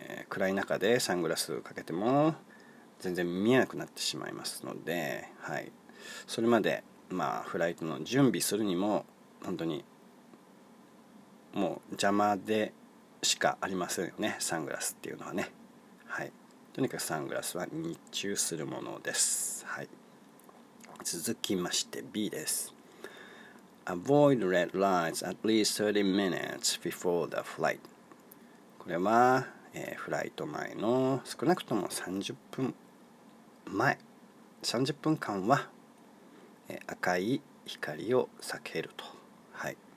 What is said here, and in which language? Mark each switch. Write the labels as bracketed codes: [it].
[ja] 暗い中でサングラスかけても全然見えなくなってしまいますので、はい、それまでまあフライトの準備するにも本当にもう邪魔でしかありませんよね、サングラスっていうのはね。はい、とにかくサングラスは日中するものです。はい。続きまして B です。 [en] Avoid red lights at least 30 minutes before the flight. [ja] これは、フライト前の少なくとも30分間は、赤い光を避けると。はい。